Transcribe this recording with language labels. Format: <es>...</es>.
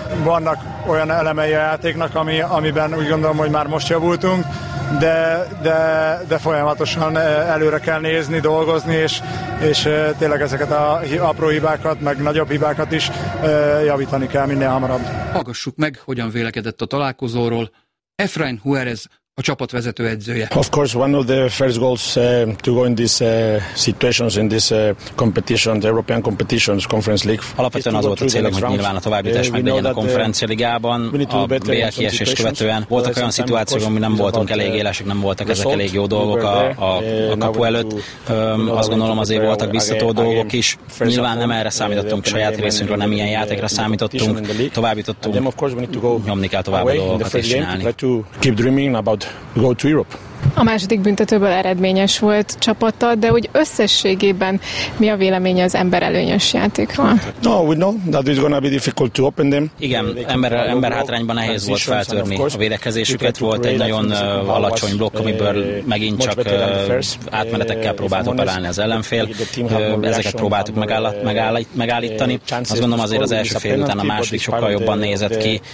<hu>Vannak olyan elemei a játéknak, amiben úgy gondolom, hogy már most javultunk, de folyamatosan előre kell nézni, dolgozni, és tényleg ezeket a apró hibákat, meg nagyobb hibákat is javítani kell minél hamarabb. Hallgassuk meg, hogyan vélekedett a találkozóról Efrain Juárez, a csapat vezető edzője.</hu> <en>Of course, one of the first goals to go in these situations, in these competitions, the European competitions, Conference League.</en> <hu>Alapvetően az volt a célunk, hogy nyilván a továbbítás megnyerjen a konferencia ligában. A BL kiesés követően voltak olyan szituációk, amiben nem voltunk elég élesek, nem voltak ezek elég jó dolgok a kapu előtt. Azt gondolom azért voltak biztató dolgok is. Nyilván nem erre számítottunk saját részünkről, nem ilyen játékra számítottunk. Továbbítottunk, nyomni kell tovább a dolgokat és csinálni.</hu> <en>Go to Europe.</en> <hu>A második büntetőből eredményes volt csapata, de úgy összességében mi a véleménye az emberelőnyös játékról?</hu> <en>No, we know that it's gonna be difficult to open them.</en> <hu>Igen, ember hátrányban nehéz volt feltörni a védekezésüket. Volt egy nagyon alacsony blokk, amiből megint csak átmenetekkel próbált operálni az ellenfél. Ezeket próbáltuk megállítani. Azt gondolom azért az első fél után a második sokkal jobban nézett ki.</hu>